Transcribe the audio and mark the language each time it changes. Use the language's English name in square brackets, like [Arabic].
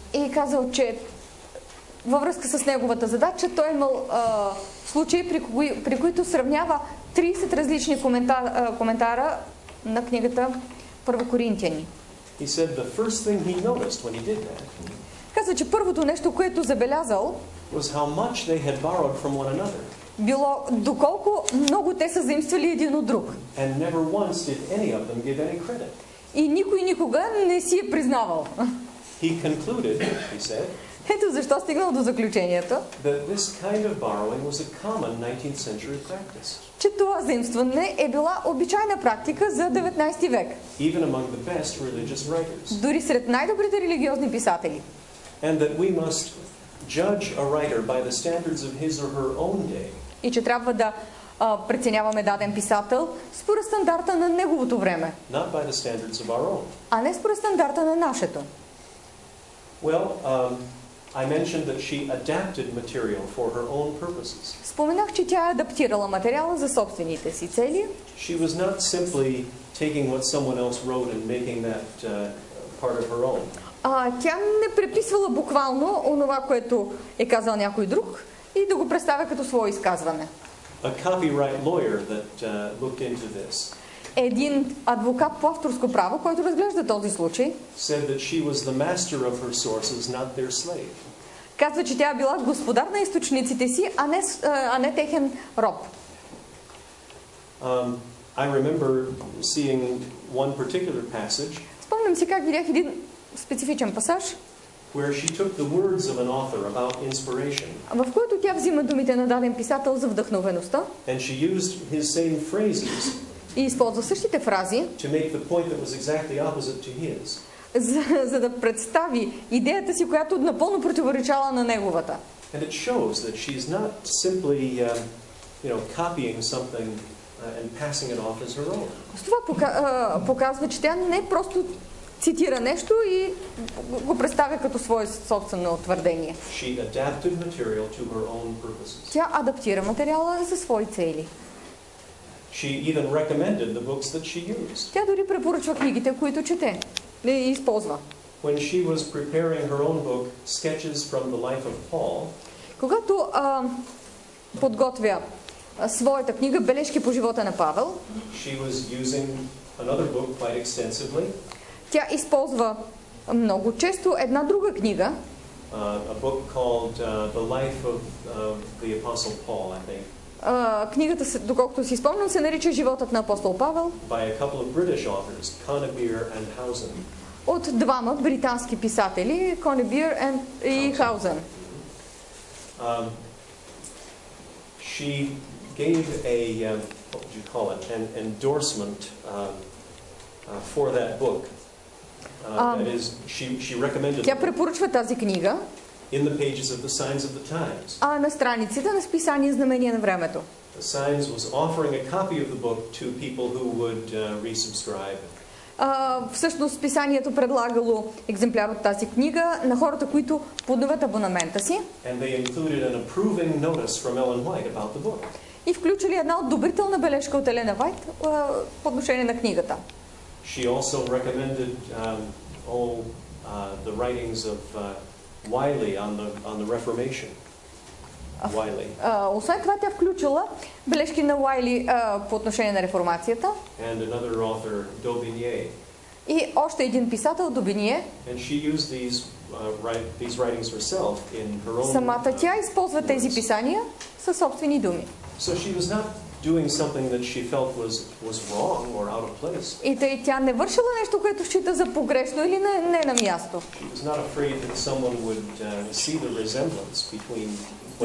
[Bulgarian] И казал, че във връзка с неговата задача, той е имал случаи, при които сравнява 30 различни коментара на книгата Първо Коринтияни. [English] He said the first thing he noticed when he did that. [Bulgarian] Каза, че първото нещо, което забелязал, [English] was how much they had borrowed from one another. [Bulgarian] Било доколко много те са заимствали един от друг. [English] And never once did any of them give any credit. [Bulgarian] И никой никога не си е признавал. [English] He concluded, he said, [Bulgarian] ето защо стигнал до заключението, [English] kind of was a 19th century practice. [Bulgarian] Че това заимстване е била обичайна практика за 19 век. [English] Even among the best religious writers. [Bulgarian] Дори сред най-добрите религиозни писатели. [English] And that we must judge a writer by the standards of his or her own day. [Bulgarian] И че трябва да преценяваме даден писател според стандарта на неговото време. [English] Not by the standards of our own. [Bulgarian] А не според стандарта на нашето. [English] Well, I mentioned that she adapted material for her own purposes. [Bulgarian] Споменах, че тя адаптирала материала за собствените си цели. [English] She was not simply taking what someone else wrote and making that part of her own. [Bulgarian] Тя не преписвала буквално онова, което е казал някой друг и да го представя като свое изказване. [English] A copyright lawyer that looked into this. [Bulgarian] Един адвокат по авторско право, който разглежда този случай, [English] said that she was the master of her sources, not their slave. [Bulgarian] Казва, че тя била господар на източниците си, а не техен роб. [English] I remember seeing one particular passage. [Bulgarian] Спомням си как видях един специфичен пасаж, [English] where she took the words of an author about inspiration. [Bulgarian] В който тя взима думите на даден писател за вдъхновеността. [English] And she used his same phrases. [Bulgarian] И използва същите фрази, [English] to make the point that was exactly opposite to his. [Bulgarian] За да представи идеята си, която напълно противоречала на неговата. [English] And it shows that she's not simply, you know, copying something and passing it off as her own. [Bulgarian] Това показва, че тя не просто цитира нещо и го представя като свое собствено твърдение. [English] She adapted material to her own purposes. [Bulgarian] Тя адаптира материала за свои цели. [English] She even recommended the books that she used. [Bulgarian] Тя дори препоръчва книгите, които чете и използва. [English] When she was preparing her own book, Sketches from the Life of Paul, [Bulgarian] когато подготвя своята книга Бележки по живота на Павел, [English] she was using another book quite extensively. [Bulgarian] Тя използва много често една друга книга, [English] a book called The Life of the Apostle Paul, I think. [Bulgarian] Книгата, доколкото си спомням, се нарича Животът на апостол Павел. [English] By a couple of British authors, Conybeare and Housen. [Bulgarian] От двама британски писатели, Conybeare и Housen. [English] She gave a what would you call it, an endorsement for that book. That is, she recommended. [Bulgarian] Тя препоръчва тази книга. [English] In the pages of the Signs of the Times. [Bulgarian] А на страниците на списание Знамения на времето. [English] The Signs was offering a copy of the book to people who would resubscribe. [Bulgarian] Всъщност списанието предлагало екземпляр от тази книга на хората, които подновят абонамента си. [English] And they included an approving notice from Ellen White about the book. [Bulgarian] И включили една одобрителна бележка от Елена Вайт по отношение на книгата. [English] She also recommended all the writings of Wiley on the Reformation. Wiley. [Bulgarian] Освен това, тя включила бележки на Wiley по отношение на реформацията. [English] And another author, Daubigny. [Bulgarian] И още един писател, Daubigny. [English] And she used these writings herself in her own. [Bulgarian] Самата тя използва тези писания със собствени думи. [English] So she was not doing something that she felt was wrong or out of place. [Bulgarian] И тя не вършила нещо, което счита за погрешно или не на място. [English] She was not afraid that someone would see the resemblance between what she wrote.